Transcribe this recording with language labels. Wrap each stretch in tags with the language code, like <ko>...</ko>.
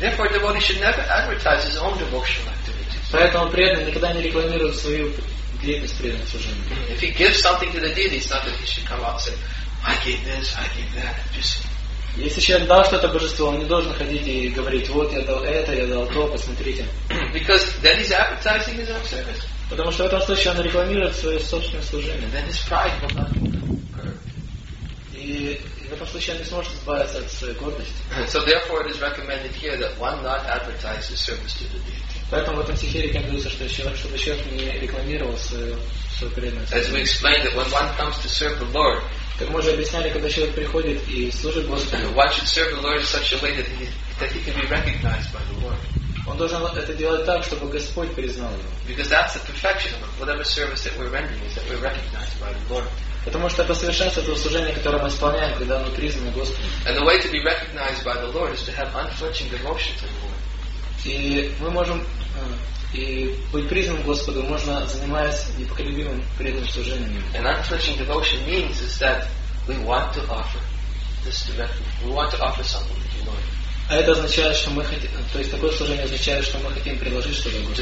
<en>Therefore, the devotee should never advertise his own devotional activities.</en> <ru>Поэтому преданный никогда не рекламирует свою деятельность преданного служения.</ru> <en>If he gives something to the deity, it's not that he should come out and say, I gave this, I gave that. Just...</en> <ru>Если человек дал что-то божеству, он не должен ходить и говорить, вот я дал это, я дал то, посмотрите.</ru> <en>Because then he's advertising his own service.</en> <ru>Потому что в этом случае он рекламирует свое собственное служение.</ru> <en>And then his pride will not occur.</en> <ru>И в этом случае он не сможет избавиться от своей гордости.</ru> <en>So therefore it is recommended here that one not advertise his service to the deity.</en> <ru>Поэтому в этом стихе рекомендуется, что человек, чтобы человек не рекламировал свое преданность.</ru> <en>As we explained that when one comes to serve the Lord,</en> <ru>как мы уже объясняли, когда человек приходит и служит Господу,</ru> <en>one should serve the Lord in such a way that he can be recognized by the Lord.</en> <ru>Он должен это делать так, чтобы Господь признал его.</ru> <en>Because that's the perfection of whatever service that we're rendering, is that we're recognized by the Lord.</en> <ru>Потому что это совершенство того служения, которое мы исполняем, когда оно признано Господом.</ru> <en>And the way to be recognized by the Lord is to have unflinching devotion to the Lord.</en> <ru>И мы можем и быть признанным Господу можно, занимаясь непоколебимым преданным служением.</ru> <en>And unflinching devotion means is that we want to offer this directly. We want to offer something to the Lord.</en> <ru>А это означает, что мы хотим, то есть такое служение означает, что мы хотим предложить что-то Господу.</ru>